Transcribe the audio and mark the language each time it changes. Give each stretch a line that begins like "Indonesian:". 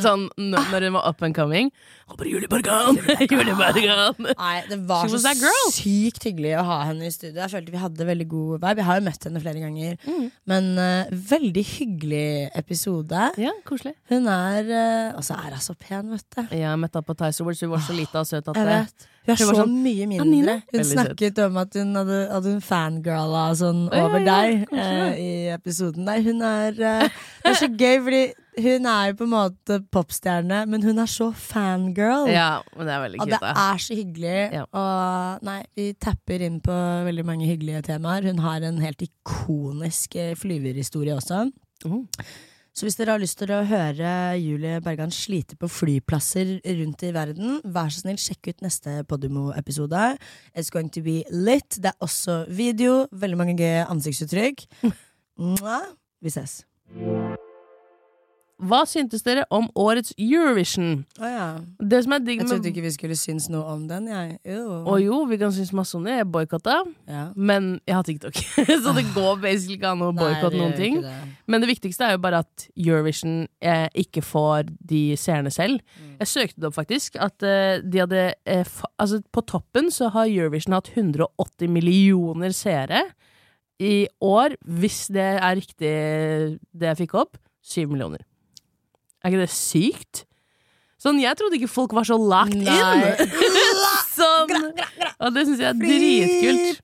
Norwegian: sånn, når hun var
English: up and coming.
Norwegian: Hun bare, Julie Bergan. Julie Bergan. Nei, det var så
English: that girl.
Norwegian: Sykt hyggelig å ha henne i studio. Jeg følte vi hadde veldig god vibe. Vi har jo møtt henne flere ganger. Men veldig hyggelig episode. Ja, koselig. Hun er, altså er så pen, vet du. Ja, jeg møtte henne på Thais Awards. Hun var så lite og søt at jeg vet.
Swedish: Jag var så mycket mindre. Hon snackade om att hon hade en fangirl sån över dig i episoden. Nej, hon är det är så gay för hon är på något sätt popstjärna, men hon är så fangirl. Ja, men det är väldigt kul. Det är så hyggligt. Ja. Och nej, vi tappar in på väldigt många hyggliga teman. Hon har en helt ikonisk flyverhistoria också. Mm.
Norwegian: Så hvis dere har lyst til å høre Julie Bergan slite på flyplasser rundt i verden, vær så snill, sjekk ut neste Podimo-episode.
English: It's going to be lit.
Norwegian: Det er også video, veldig mange gøy ansiktsuttrykk. Vi ses. Hva syntes dere om årets Eurovision? Åja. Oh, det som er digg med... Jeg trodde ikke vi skulle synes noe om den, jeg. Å jo, vi kan synes masse om det. Jeg boykottet. Ja. Men jeg har TikTok. Så det går basically ikke an å boykotte noen ting. Nei, det gjør ikke det. Men det viktigste jo bare at Eurovision ikke får de seerne selv. Mm. Jeg søkte det opp faktisk at de hadde... altså, på toppen så har Eurovision hatt 180 millioner seere i år, hvis det riktig det jeg fikk opp.
Swedish: 7 millioner. Är det sjukt? Sån jag trodde inte folk var så
English: locked in.
Swedish: Som, och det syns jag dritkult.